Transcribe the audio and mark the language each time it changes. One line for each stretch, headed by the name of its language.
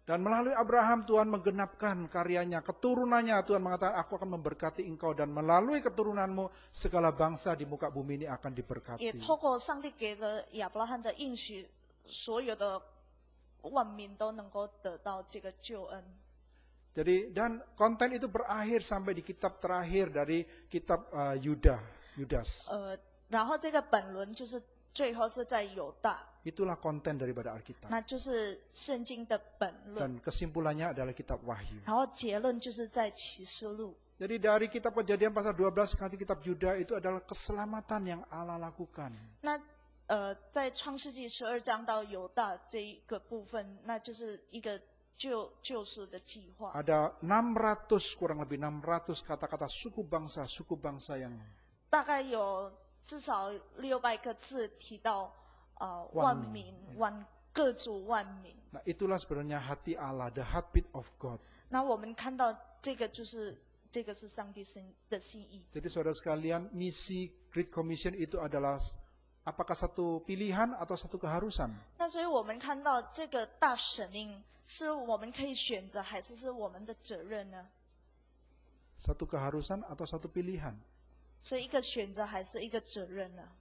Indonesian: Dan melalui Abraham Tuhan menggenapkan karyanya, keturunannya Tuhan mengatakan Aku akan memberkati engkau dan melalui keturunanmu segala bangsa di muka bumi ini akan diberkati.
Chinese: 也透过上帝给了亚伯拉罕的应许，所有的万民都能够得到这个救恩。
Indonesian: Jadi dan konten itu berakhir sampai di kitab terakhir dari kitab Yudas. Yudas.
Chinese: 然后这个本轮就是最后是在犹大。
Indonesian: Itulah konten daripada Alkitab.
Chinese: 那就是圣经的本论。
Indonesian: Dan kesimpulannya adalah Kitab Wahyu.
Chinese: 然后结论就是在启示录。
Indonesian: Jadi dari Kitab Kejadian pasal 12 sekali Kitab Yuda itu adalah keselamatan yang Allah lakukan.
Chinese: 那在创世纪十二章到犹大这一个部分，那就是一个。救世的计划。
Indonesian: Ada 600 kurang lebih 600 kata-kata suku bangsa yang
Chinese: 大概有至少600个字提到万民各族万民。
Indonesian: Nah, itulah sebenarnya hati Allah,
English: the heartbeat of God.
Chinese: 那我们看到这个是上帝的心意。
Indonesian: Jadi saudara sekalian, misi Great Commission itu adalah apakah satu pilihan atau satu keharusan?
Chinese: 那所以我们看到这个大使命。是我们可以选择还是我们的责任呢
Indonesian: satu keharusan atau satu pilihan
Chinese: 所以一个选择还是一个责任呢